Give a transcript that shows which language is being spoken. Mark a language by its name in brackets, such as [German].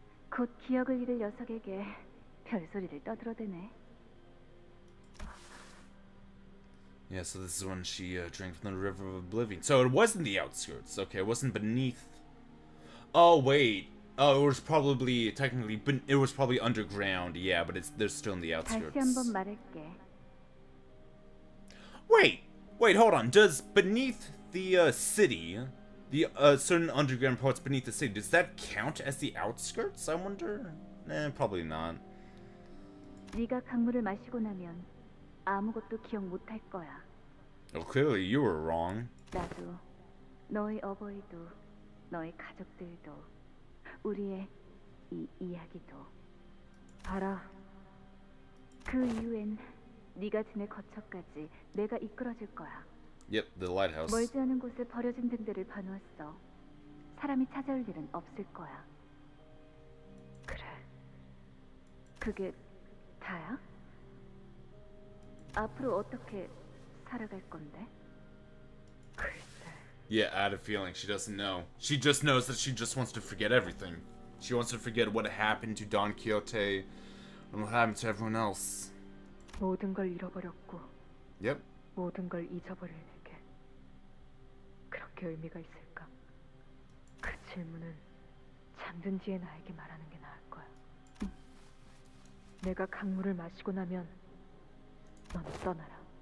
[Korean] 곧 기억을 잃을 녀석에게. 별소리를 떠들어대네. [English] Yeah, so this is when she drank from the River of Oblivion. So it wasn't the outskirts. Okay, it wasn't beneath. Oh, wait. Oh, it was probably technically, it was probably underground. Yeah, but they're still in the outskirts. [Korean] 다시 한번 말할게. [English] Wait, hold on. Does beneath the city, the certain underground parts beneath the city, does that count as the outskirts, I wonder? Eh, probably not. [Korean] 네가 강물을 마시고 나면 아무것도 기억 못할 거야. [English] Oh, clearly you were wrong. [Korean] 나도 너의 어버이도 너의 가족들도 우리의 이 이야기도 봐라. 그 이후엔 네가 지낼 거처까지 내가 이끌어줄 거야. [English] Yep, the lighthouse. [Korean] 멀지 않은 곳에 버려진 등대를 봐놓았어. 사람이 찾아올 일은 없을 거야. 그래. 그게 다야? 앞으로 어떻게 살아갈 건데? 글쎄. [English] Yeah, I had a feeling. She doesn't know. She just knows that she just wants to forget everything. She wants to forget what happened to Don Quixote and what happened to everyone else. [Korean] 모든 걸 잃어버렸고. [English] Yep. [Korean] 모든 걸 잊어버릴 내게 그렇게 의미가 있을까? 그 질문은 잠든 뒤에 나에게 말하는 게 나을 거야. 내가 강물을 마시고 나면 넌 떠나라.